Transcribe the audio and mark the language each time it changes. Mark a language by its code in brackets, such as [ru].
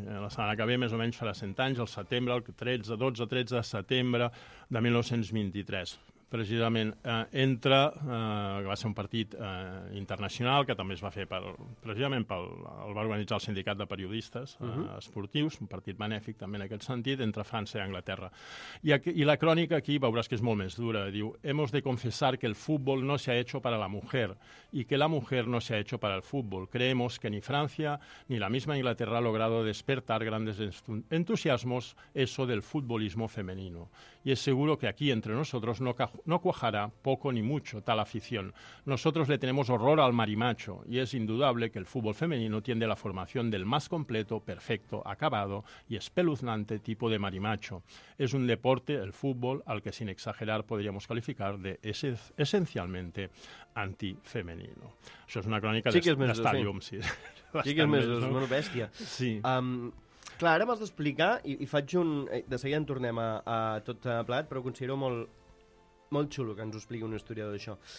[ca] La setmana que ve més o menys farà 100 anys, el setembre, el 12-13 de setembre de 1923. Precisament entra, que va ser un partit internacional, que també es va fer el va organitzar el Sindicat de Periodistes Esportius, un partit benèfic també en aquest sentit, entre França i Anglaterra. I la crònica aquí veuràs que és molt més dura. [es] Diu, hemos de confesar que el fútbol no se ha hecho para la mujer y que la mujer no se ha hecho para el fútbol. Creemos que ni Francia ni la misma Inglaterra ha logrado despertar grandes entusiasmos eso del futbolismo femenino. Y es seguro que aquí entre nosotros no cuajará poco ni mucho tal afición. Nosotros le tenemos horror al marimacho y es indudable que el fútbol femenino tiende a la formación del más completo, perfecto, acabado y espeluznante tipo de marimacho. Es un deporte, el fútbol, al que sin exagerar podríamos calificar de esencialmente antifemenino. [ca] Això és una crònica d'Estadium. Sí, que és més dos, és molt bèstia. Sí. Clar, ara m'has d'explicar, i faig un... De seguida en tornem a tot plat, però considero molt, molt xulo que ens ho expliqui un historiador d'això.